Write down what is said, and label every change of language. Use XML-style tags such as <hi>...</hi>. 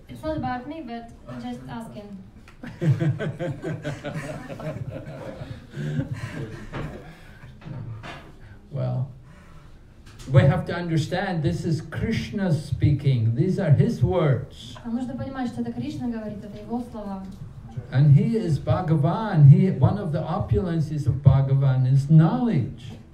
<en>It's not about me, but I'm just asking. Well. We have to understand this is Krishna speaking. These are his words.</en> <ru>Нужно понимать, что это Кришна говорит, это его слова.</ru> <en>And he is Bhagavan. He one of the opulences of Bhagavan is knowledge.</en>